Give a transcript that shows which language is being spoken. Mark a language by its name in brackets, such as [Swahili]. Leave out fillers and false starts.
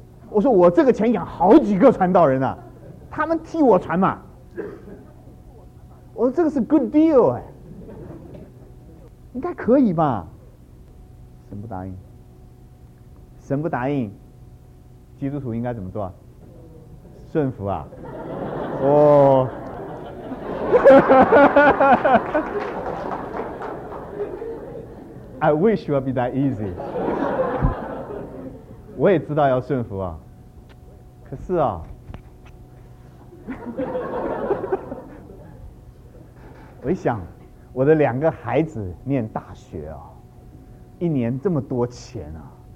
[Chinese] 我说我这个钱养好几个传道人啊，他们替我传嘛。我说这个是 [English] good deal [Chinese] 哎，应该可以吧？神不答应，神不答应，基督徒应该怎么做？顺服啊！ [English] 哦，I wish will be that easy. [Chinese] 我也知道要顺服啊，可是啊，我一想，我的两个孩子念大学啊，一年这么多钱啊，